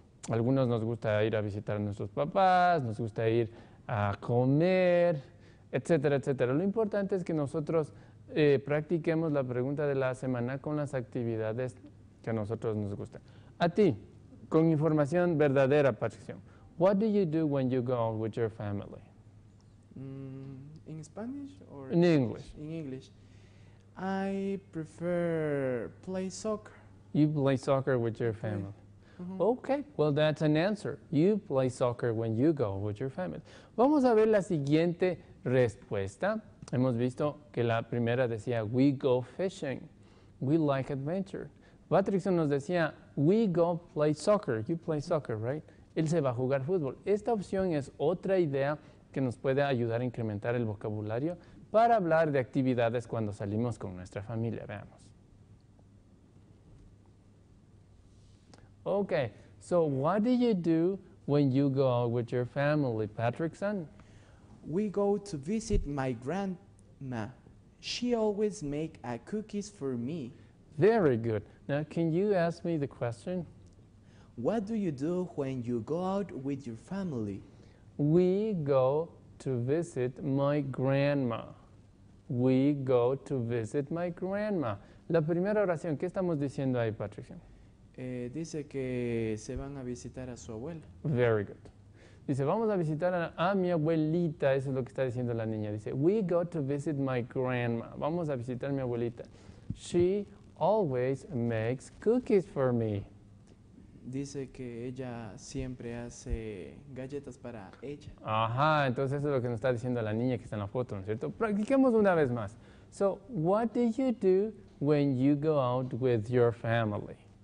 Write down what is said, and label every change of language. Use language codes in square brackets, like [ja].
[es] Algunos nos gusta ir a visitar a nuestros papás, nos gusta ir a comer, etcétera, etcétera. Lo importante es que nosotros practiquemos la pregunta de la semana con las actividades que a nosotros nos gustan. A ti, con información verdadera, Patricio. [en] What do you do when you go out with your family? In Spanish or in English? In English. I prefer play soccer. You play soccer with your family. Mm-hmm. Okay, well, that's an answer. You play soccer when you go with your family. [es] Vamos a ver la siguiente respuesta. Hemos visto que la primera decía, [en] we go fishing. We like adventure. [es] Patrickson nos decía, [en] we go play soccer. You play soccer, right? [es] Él se va a jugar fútbol. Esta opción es otra idea que nos puede ayudar a incrementar el vocabulario para hablar de actividades cuando salimos con nuestra familia. Veamos. [en] Okay, so what do you do when you go out with your family, Patrickson? We go to visit my grandma. She always makes cookies for me. Very good. Now, can you ask me the question? What do you do when you go out with your family? We go to visit my grandma. We go to visit my grandma. [es] La primera oración, ¿qué estamos diciendo ahí, Patricia? Dice que se van a visitar a su abuela. [en] Very good. [es] Dice, vamos a visitar a mi abuelita. Eso es lo que está diciendo la niña. Dice, [en] we go to visit my grandma. [es] Vamos a visitar a mi abuelita. [en] She always makes cookies for me. [es] Dice que ella siempre hace galletas para ella. Ajá, entonces eso es lo que nos está diciendo la niña que está en la foto, ¿no es cierto? Practiquemos una vez más. [en] So, what do you do when you go out with your family?